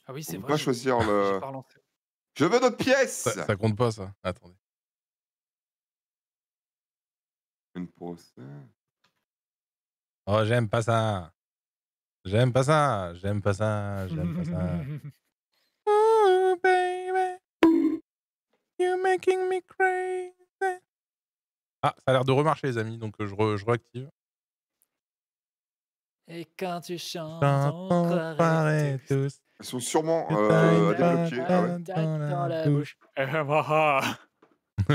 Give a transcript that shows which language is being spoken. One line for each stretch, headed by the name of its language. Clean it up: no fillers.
French: Ah oui, c'est on vrai. Peut pas choisir le... Je veux d'autres pièces. Ça compte pas, ça. Attendez. Une pause. Oh, j'aime pas ça. J'aime pas ça, j'aime pas ça, j'aime pas ça.
English: Oh baby, you're making me crazy.
French: Ah, ça a l'air de remarcher les amis, donc je réactive. Et quand tu chantes, on paraît tous. Ils sont sûrement à débloquer. Dans la bouche. Bon,